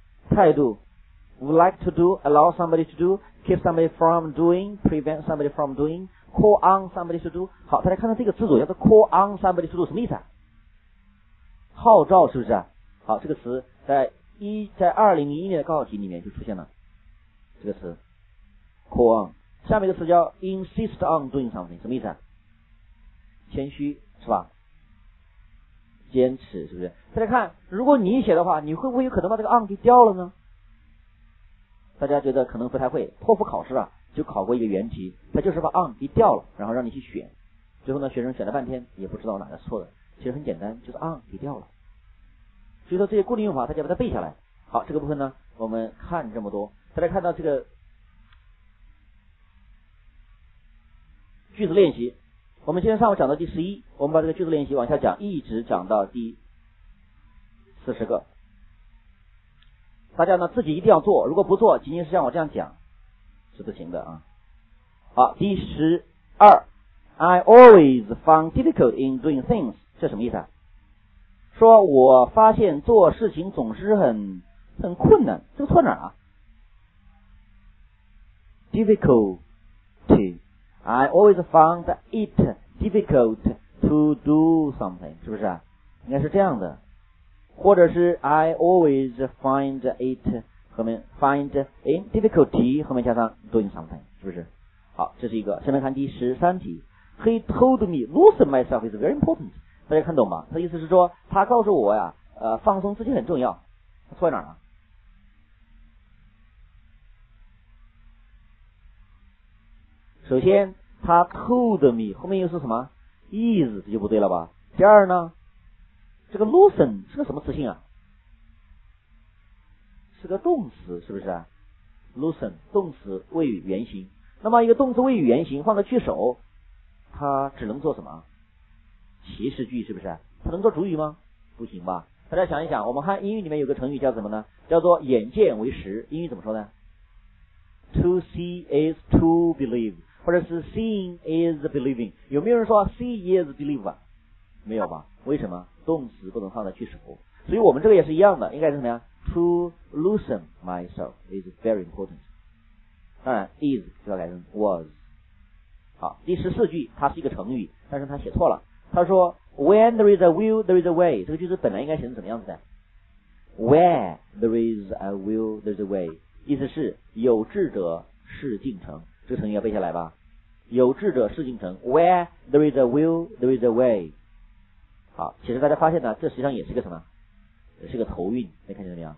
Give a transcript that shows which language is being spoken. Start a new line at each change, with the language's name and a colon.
Chinese: 态度
English: would like to do, allow somebody to do, keep somebody from doing, prevent somebody from doing, call on somebody to do。
Chinese: 好，大家看到这个字组叫做
English: call on somebody to do，
Chinese: 什么意思啊？号召，是不是？好，这个词在2001年的高考题里面就出现了，这个词 call on。下面一个词叫
English: insist on doing something，
Chinese: 什么意思啊？谦虚，是吧？坚持，是不是？大家看，如果你写的话，你会不会有可能把这个 on 给掉了呢？大家觉得可能不太会，托福考试啊就考过一个原题，它就是把 on 给掉了，然后让你去选，最后呢学生选了半天也不知道哪个错的，其实很简单，就是啊给掉了。所以说这些固定用法大家把它背下来。好，这个部分呢我们看这么多。大家看到这个句子练习，我们今天上午讲到第11，我们把这个句子练习往下讲，一直讲到第40个。大家呢自己一定要做，如果不做仅仅是像我这样讲是不行的啊。
English: 好，第12， I always found difficult in doing things，
Chinese: 这什么意思啊？说我发现做事情总是很困难，这个错哪儿啊？
English: difficulty， I always found it difficult to do something，
Chinese: 是不是啊？应该是这样的。或者是
English: I always find it
Chinese: 后面
English: find in difficulty
Chinese: 后面加上
English: doing something，
Chinese: 是不是？好，这是一个。下面看第13题，
English: He told me losing myself is very important。
Chinese: 大家看懂吗？他意思是说他告诉我呀放松自己很重要。他错在哪儿啊？首先他 told me 后面又是什么 is， 这就不对了吧。第二呢，这个 loosen 是个什么词性啊？是个动词，是不是啊？
English: loosen
Chinese: 动词谓语原形。那么一个动词谓语原形放在句首，他只能做什么？祈使句，是不是？它能做主语吗？不行吧。大家想一想，我们看英语里面有个成语叫什么呢？叫做眼见为实。英语怎么说呢？
English: To see is to believe， 或者是 seeing is believing。
Chinese: 有没有人说
English: see is believe
Chinese: 啊？没有吧。为什么？动词不能放在句首。所以我们这个也是一样的，应该是什么呀？
English: To loosen myself is very important。
Chinese: 当然
English: is
Chinese: 需要改成
English: was，
Chinese: 好，第十四句它是一个成语，但是它写错了。
English: 他说 When there is a will, there is a way。
Chinese: 这个句子本来应该写成什么样子的？
English: Where there is a will, there is a way。
Chinese: 意思是有志者事竟成，这个成语要背下来吧。有志者事竟成，
English: Where there is a will, there is a way。
Chinese: 好，其实大家发现呢，这实际上也是一个什么，也是个头韵，没看见没有？